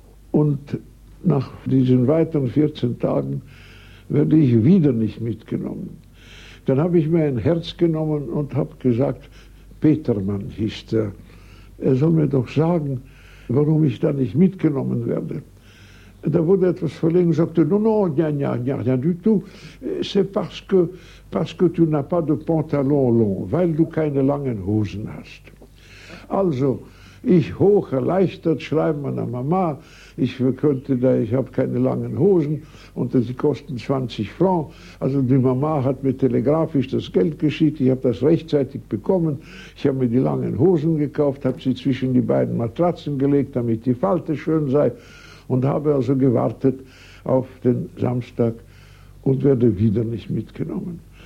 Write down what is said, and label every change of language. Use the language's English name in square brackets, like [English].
[German] Und nach diesen weiteren 14 Tagen werde ich wieder nicht mitgenommen. Dann habe ich mir ein Herz genommen und habe gesagt, Petermann hieß der, er soll mir doch sagen, warum ich da nicht mitgenommen werde. Da wurde etwas verlegen und sagte, [French] non, non, rien, rien, rien du tout. C'est parce que tu n'as pas de pantalon long, [German] weil du keine langen Hosen hast. Also, ich hoch erleichtert, schreibe meiner Mama, ich habe keine langen Hosen und sie kosten 20 Francs. Also die Mama hat mir telegrafisch das Geld geschickt, ich habe das rechtzeitig bekommen. Ich habe mir die langen Hosen gekauft, habe sie zwischen die beiden Matratzen gelegt, damit die Falte schön sei und habe also gewartet auf den Samstag und werde wieder nicht mitgenommen.